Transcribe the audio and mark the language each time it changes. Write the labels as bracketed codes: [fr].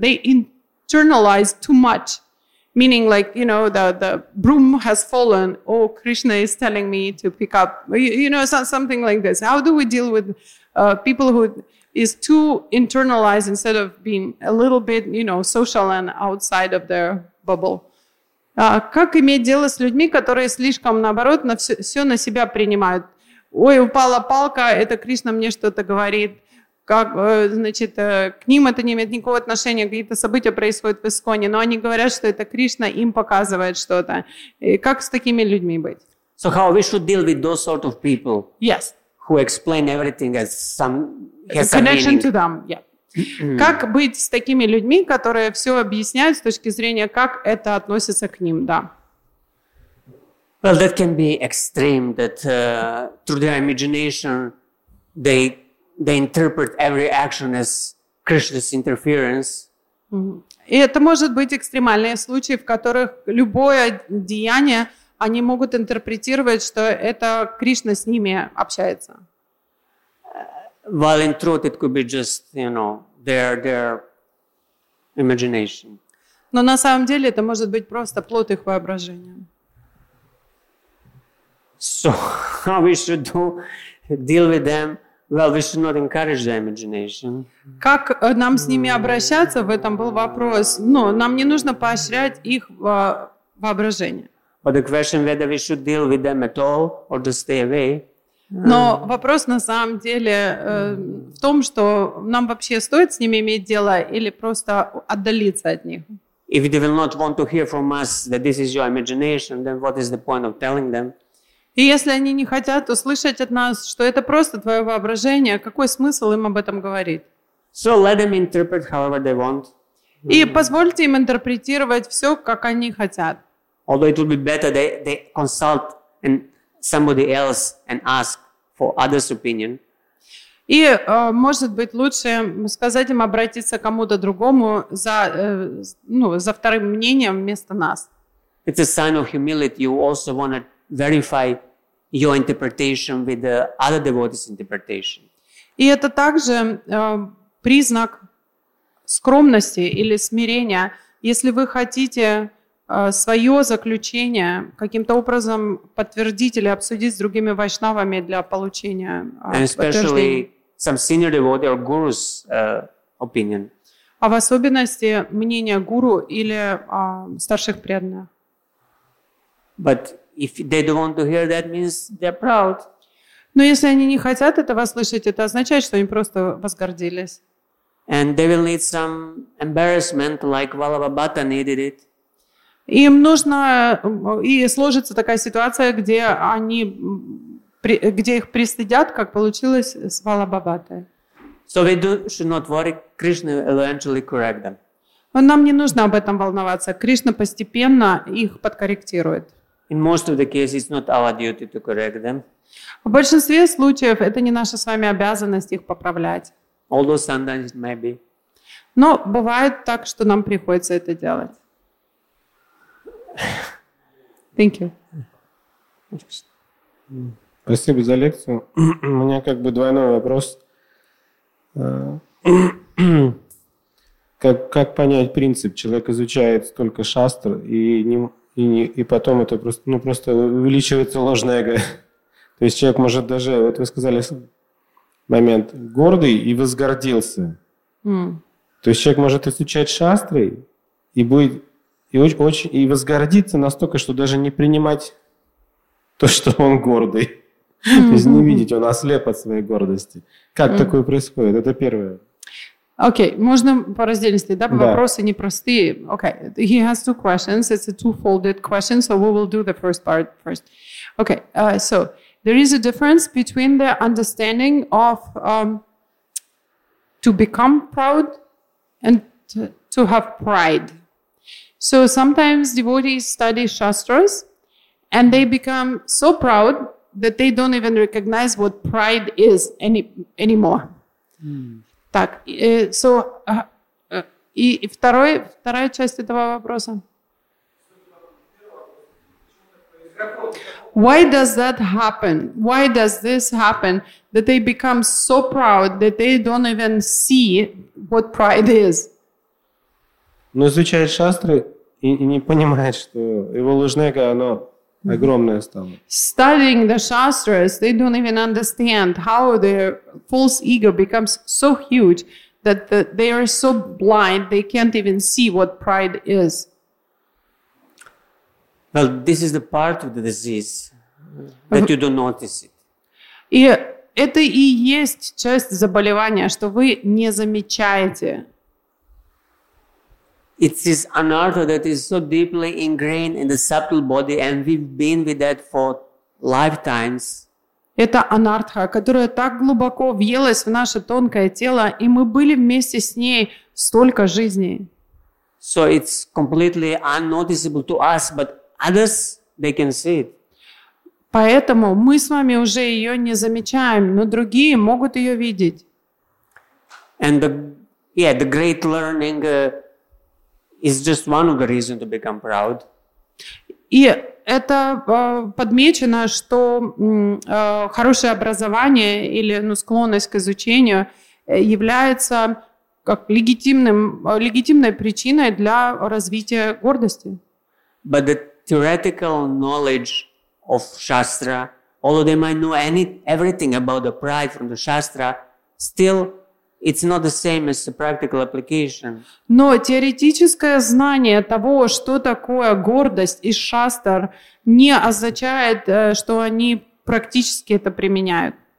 [en] They internalize too much. Meaning like, you know, the broom has fallen. Oh, Krishna is telling me to pick up, you know, something like this. How do we deal with people who is too internalized instead of being a little bit, you know, social and outside of their bubble? [ru] Как иметь дело с людьми, которые слишком, наоборот, на все на себя принимают? Ой, упала палка, это Кришна мне что-то говорит. Как, значит, к ним это не имеет никакого отношения, какие-то события происходят в Исконе, но они говорят, что это Кришна им показывает что-то. И как с такими людьми быть? [en] So how we should deal with those sort of people? Yes. Who explain everything as some connection to them, yeah. [ru] Как быть с такими людьми, которые все объясняют с точки зрения, как это относится к ним, да? [en] Well, that can be extreme, that through their imagination they interpret every action as Krishna's interference. [ru] И это может быть экстремальные случаи, в которых любое деяние они могут интерпретировать, что это Кришна с ними общается. [en] While in truth it could be just, you know, their imagination. [ru] Но на самом деле это может быть просто плод их воображения. [en] So how we should deal with them? Well, we should not encourage their imagination. [ru] Как нам с ними обращаться? В этом был вопрос. Но нам не нужно поощрять их воображение. [en] But the question whether we should deal with them at all or just stay away. [ru] Но вопрос на самом деле в том, что нам вообще стоит с ними иметь дело или просто отдалиться от них. [en] If they will not want to hear from us that this is your imagination, then what is the point of telling them? [ru] И если они не хотят услышать от нас, что это просто твое воображение, какой смысл им об этом говорить? [en] So let them interpret however they want. [ru] И позвольте им интерпретировать все, как они хотят. [en] Although it would be better they consult and somebody else and ask for others' opinion. [ru] И, может быть, лучше сказать им обратиться к кому-то другому за, ну, за вторым мнением вместо нас. [en] It's a sign of humility. You also want to verify your interpretation with the other devotee's interpretation. [ru] И это также признак скромности или смирения. Если вы хотите свое заключение каким-то образом подтвердить или обсудить с другими вайшнавами для получения подтверждения. [en] Some senior devotee or guru's opinion. [ru] А в особенности мнение гуру или старших преданных. [en] But if they don't want to hear, that means they're proud. [ru] Но если они не хотят этого слышать, это означает, что они просто возгордились. [en] And they will need some embarrassment, like Vallabhabhatta needed it. [ru] Им нужно и сложится такая ситуация, где они где их пристыдят, как получилось с Валлабхабхатой. [en] So we should not worry, Krishna will eventually correct them. [ru] Но нам не нужно об этом волноваться. Кришна постепенно их подкорректирует. [en] In most of the cases, it's not our duty to correct them. [ru] В большинстве случаев это не наша с вами обязанность их поправлять. [en] Although sometimes it may be. [ru] Но бывает так, что нам приходится это делать. [en] Thank you. [ru] Спасибо за лекцию. У меня как бы двойной вопрос. Как понять принцип? Человек изучает столько шастр, и потом это просто, ну, просто увеличивается ложное эго. То есть человек может даже, вот вы сказали момент, гордый и возгордился. То есть человек может изучать шастры и будет и возгордиться настолько, что даже не принимать то, что он гордый. То есть не видеть, он ослеп от своей гордости. Как такое происходит? Это первое. Окей, можно по раздельности, да? Вопросы непростые. Окей, [en] he has two questions. It's a two-folded question, so we will do the first part first. Окей, so there is a difference between the understanding of to become proud and to have pride. So sometimes devotees study shastras and they become so proud that they don't even recognize what pride is anymore. [ru] Так, so, и второй, вторая часть этого вопроса. [en] Why does that happen? Why does this happen? That they become so proud that they don't even see what pride is? [ru] Ну, изучает шастры и не понимает, что его ложное эго, оно огромное стало. [en] Studying the shastras, they don't even understand how their false ego becomes so huge that they are so blind they can't even see what pride is. Well, this is the part of the disease that you don't notice it. [ru] И это и есть часть заболевания, что вы не замечаете. [en] It's this anartha that is so deeply ingrained in the subtle body, and we've been with that for lifetimes. [ru] Это анартха, которая так глубоко въелась в наше тонкое тело, и мы были вместе с ней столько жизней. [en] So it's completely unnoticeable to us, but others they can see it. [ru] Поэтому мы с вами уже ее не замечаем, но другие могут ее видеть. [en] And the great learning. It's just one of the reasons to become proud. [ru] И это подмечено, что хорошее образование или склонность к изучению является как легитимной причиной для развития гордости. [en] But the theoretical knowledge of shastra, although they might know everything about the pride from the shastra, still it's not the same as the practical application. [ru] Но теоретическое знание того, что такое гордость и шастр, не означает, что они практически это применяют.